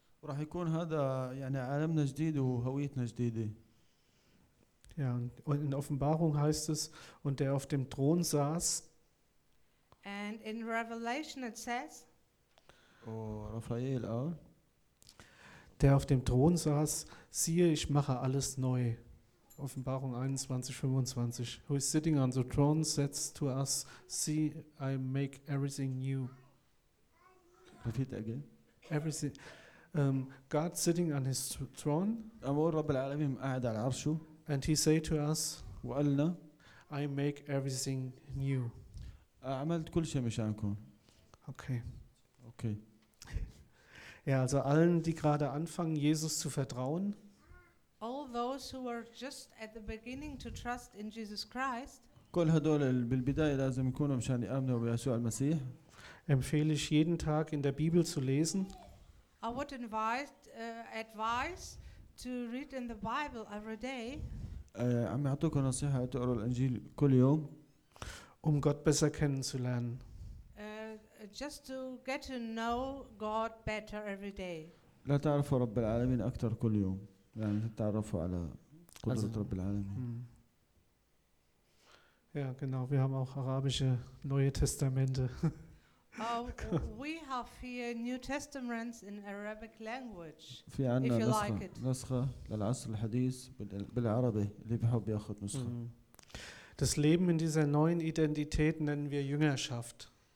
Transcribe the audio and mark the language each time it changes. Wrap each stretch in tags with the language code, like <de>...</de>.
<ar>وراح يكون هذا يعني عالمنا جديد وهويتنا جديدة.</ar> <de>Ja, und in Offenbarung heißt es, und der auf dem Thron saß.</de> <en>And in Revelation it says. Oh, Raphael, oh.</en> <de>Der auf dem Thron saß, siehe, ich mache alles neu. Offenbarung 21:25.</de> <en>Who is sitting on the throne says to us, see, I make everything new. Repeat again. Everything. God sitting on his throne.</en> <ar>أمور رب العالمين قاعد على عرشه.</ar> <en>And he say to us,</en> <ar>وقالنا,</ar> <en>I make everything new.</en> <ar>عملت كل شيء مشانكم.</ar> <en>Okay.</en> <de>Ja, also allen, die gerade anfangen, Jesus zu vertrauen.</de> <en>All those who were just at the beginning to trust in Jesus Christ.</en> <ar>كل هدول بالبداية لازم يكونوا مشان يؤمنوا بيسوع المسيح.</ar> <de>Empfehle ich jeden Tag in der Bibel zu lesen.</de> <en>I would advise to read in the Bible every day.</en> <ar>عم يعطوكم نصيحة تقروا الإنجيل كل يوم.</ar> <de>Gott besser kennenzulernen.</de> <en>Just to get to know God better every day.</en> <ar>لا تعرفوا رب العالمين أكثر كل يوم. يعني تتعرفوا على قدرة رب العالمين.</ar> <de>Ja, genau. Wir haben auch arabische Neue Testamente.</de> <en>We have here New Testaments in Arabic language.</en> <ar>في عنا نسخة للعصر الحديث بالعربي اللي بحب ياخذ نسخة.</ar> <de>Das Leben in dieser neuen Identität nennen wir Jüngerschaft.</de>